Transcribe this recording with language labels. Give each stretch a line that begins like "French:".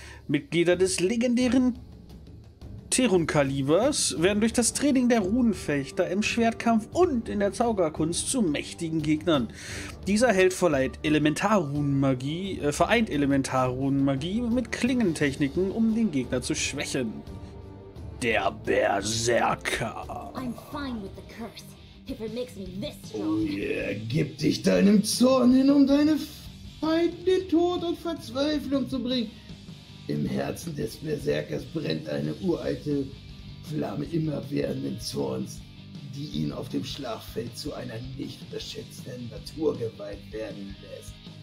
German: Mitglieder des legendären Terun-Kalibers werden durch das Training der Runenfechter im Schwertkampf und in der Zauberkunst zu mächtigen Gegnern. Dieser Held vereint Elementarrunenmagie mit Klingentechniken, um den Gegner zu schwächen. Der Berserker.
English: I'm fine with the curse, if it makes me this strong. Oh yeah,
German: gib dich deinem Zorn hin, um deine Feinde in den Tod und Verzweiflung zu bringen. Im Herzen des Berserkers brennt eine uralte Flamme immerwährenden Zorns, die ihn auf dem Schlachtfeld zu einer nicht unterschätzenden Naturgewalt werden lässt.